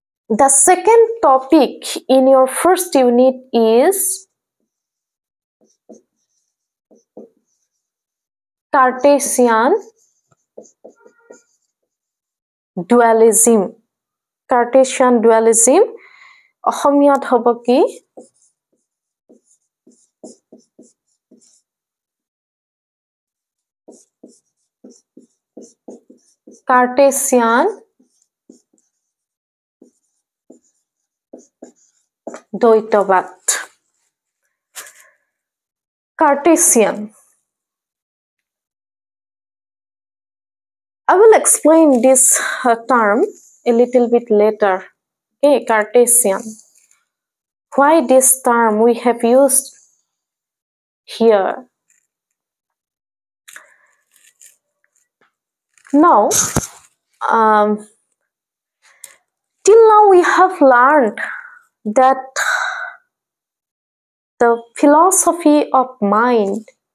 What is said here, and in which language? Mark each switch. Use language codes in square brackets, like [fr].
[en] The second topic in your first unit is Cartesian dualism. Cartesian dualism. [as] অসমীয়াত হ'ব কি Cartesian [en] দ্বৈতবাদ Cartesian I will explain this term a little bit later Okay, Cartesian. Why this term we have used here? Now, till now we have learned that the philosophy of mind